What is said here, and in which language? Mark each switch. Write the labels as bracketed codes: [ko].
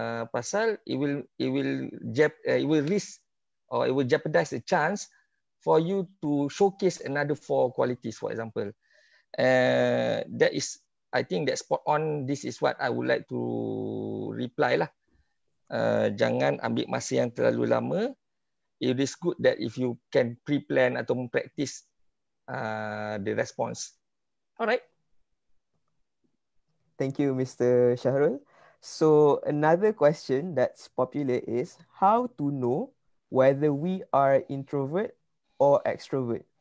[ms] pasal [en] it will jeopardize the chance for you to showcase another four qualities, for example. That is, I think that spot on. This is what I would like to reply lah. [ms] Jangan ambil masa yang terlalu lama. [en] It is good that if you can pre-plan [ms] atau [en] practice the response. Alright. Thank you, Mr. Shahrul. So another question that's popular is how to know whether we are introvert or extrovert?